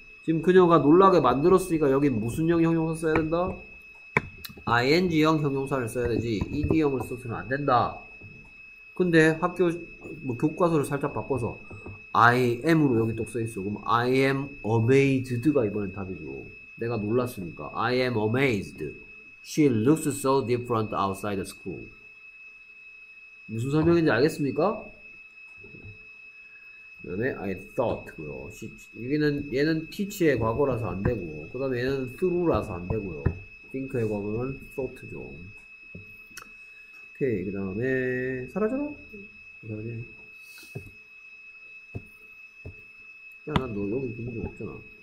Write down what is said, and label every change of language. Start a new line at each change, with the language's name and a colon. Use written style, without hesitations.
Korean: 지금 그녀가 놀라게 만들었으니까 여긴 무슨 형 형용사 써야 된다? ing형 형용사를 써야 되지. ed형을 써서는 안 된다. 근데 학교 뭐 교과서를 살짝 바꿔서
English: I am
Korean: 으로 여기 똑 써있어. 그럼
English: I am amazed
Korean: 가 이번엔 답이죠. 내가 놀랐으니까.
English: I am amazed. She looks so different outside the school.
Korean: 무슨 설명인지 알겠습니까? 그 다음에 I thought 고요. 여기는 얘는 teach의 과거라서 안 되고, 그 다음에 얘는 through라서 안 되고요. think의 과거는 thought죠. 오케이, 그 다음에 사라져라. 그다음에 야, 난너 여기 있는 적 없잖아.